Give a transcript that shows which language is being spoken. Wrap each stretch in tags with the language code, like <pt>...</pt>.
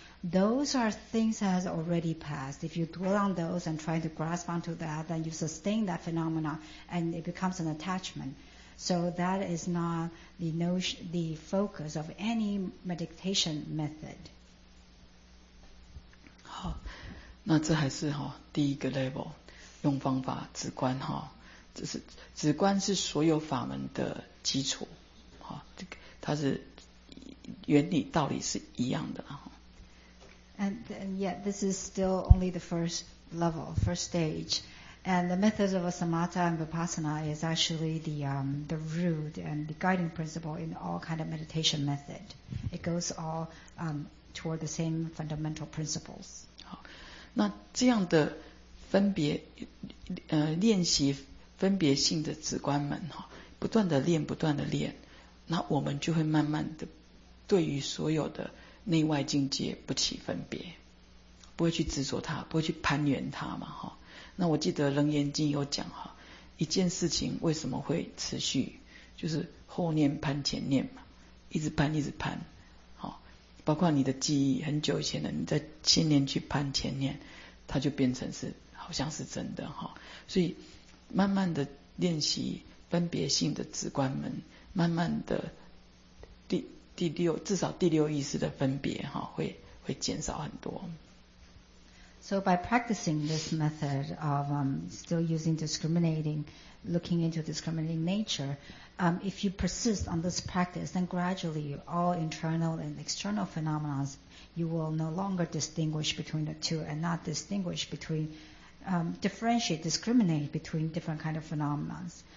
<en>Those are things that has already passed. If you dwell on those and try to grasp onto that, then you sustain that phenomena and it becomes an attachment. So that is not the notion, the focus of any meditation method.</en> <zh>好，那这还是哈第一个 level， 用方法止观哈，这是止观是所有法门的基础。它是原理道理是一样的。</zh> <en>And yet this is still only the first level, first stage. And the methods of Samatha and Vipassana is actually the root and the guiding principle in all kind of meditation method. It goes all toward the same fundamental principles.</en> <zh>好，那这样的分别练习分别性的止观门，不断的练，不断的练，那我们就会慢慢的对于所有的内外境界不起分别，不会去执着它，不会去攀缘它嘛。那我记得楞严经有讲，一件事情为什么会持续，就是后念攀前念嘛，一直攀一直攀。包括你的记忆，很久以前的你在前念去攀前念，它就变成是好像是真的。所以慢慢的练习分别性的止观门，慢慢的至少第六意识的分别哈，会减少很多。</zh> <en>So by practicing this method of still using discriminating, looking into discriminating nature, if you persist on this practice, then gradually all internal and external phenomena, you will no longer distinguish between the two and not distinguish between, differentiate, discriminate between different kind of phenomena.</en>